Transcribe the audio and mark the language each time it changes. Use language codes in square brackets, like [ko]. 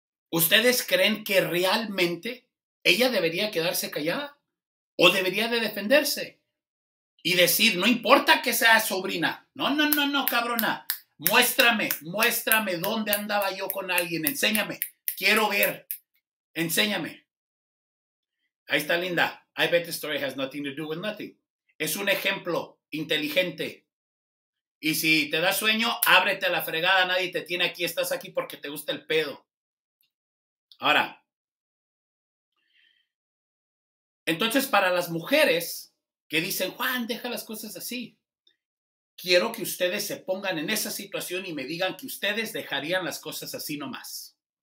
[es] ¿Ustedes creen que realmente ella debería quedarse callada o debería de defenderse y decir: no importa que sea sobrina, no, cabrona, muéstrame dónde andaba yo con alguien, enséñame, quiero ver, enséñame? Ahí está, linda. [en] I bet the story has nothing to do with nothing. [es] Es un ejemplo inteligente. Y si te da sueño, ábrete a la fregada, nadie te tiene aquí, estás aquí porque te gusta el pedo. Ahora, entonces para las mujeres que dicen: Juan, deja las cosas así, quiero que ustedes se pongan en esa situación y me digan que ustedes dejarían las cosas así nomás.